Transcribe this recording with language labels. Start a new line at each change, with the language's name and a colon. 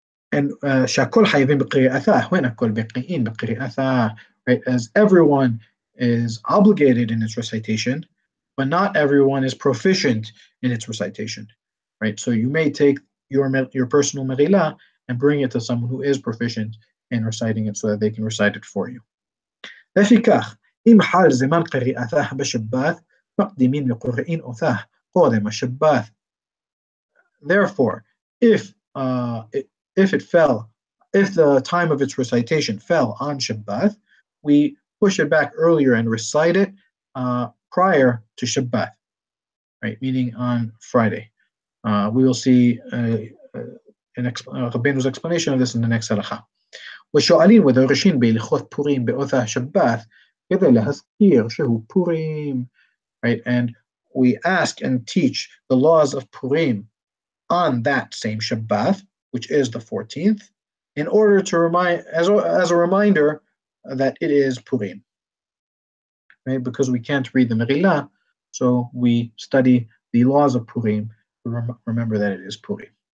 English: And
Hebrew: shakol hayavim b'qiri'atha,
English: when
Hebrew: akol b'qiri'in b'qiri'atha,
English: right, as everyone is obligated in its recitation, but not everyone is proficient in its recitation, right? So you may take your personal Megillah and bring it to someone who is proficient in reciting it so that they can recite it for you.
Hebrew: לפיכך, אם חל זמן קריאתה בשבת, מקדימים לקוראין אותה קודם השבת.
English: Therefore, if the time of its recitation fell on Shabbat, we push it back earlier and recite it prior to Shabbat, right? Meaning on Friday. We will see Rabbeinu's explanation of this in the next halacha.
Hebrew: ושואלים ודורשים בהלכות פורים באותה שבת כדי להזכיר שהוא פורים.
English: Right, and we ask and teach the laws of Purim on that same Shabbat, which is the 14th, in order to remind, as a reminder that it is Purim. Right, because we can't read the Megillah, so we study the laws of Purim to remember that it is Purim.